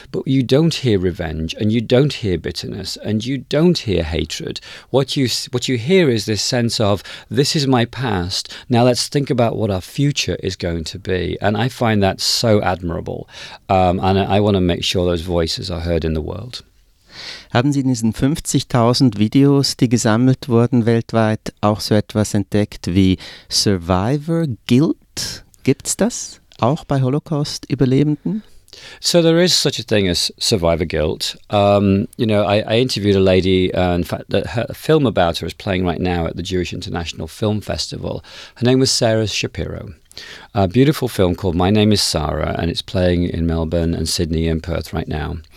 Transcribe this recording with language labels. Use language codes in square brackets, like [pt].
[en] But you don't hear revenge, and you don't hear bitterness, and you don't hear hatred. What you hear is this sense of, this is my past. Now let's think about what our future is going to be. And I find that so admirable. And I want to make sure those voices are heard in the world. [de] Haben Sie in diesen 50.000 Videos, die gesammelt wurden weltweit, auch so etwas entdeckt wie Survivor Guilt? Gibt's das auch bei Holocaust-Überlebenden? [en] So there is such a thing as survivor guilt. You know, I interviewed a lady, in fact, a film about her is playing right now at the Jewish International Film Festival. Her name was Sarah Shapiro. A beautiful film called My Name is Sarah, and it's playing in Melbourne and Sydney and Perth right now.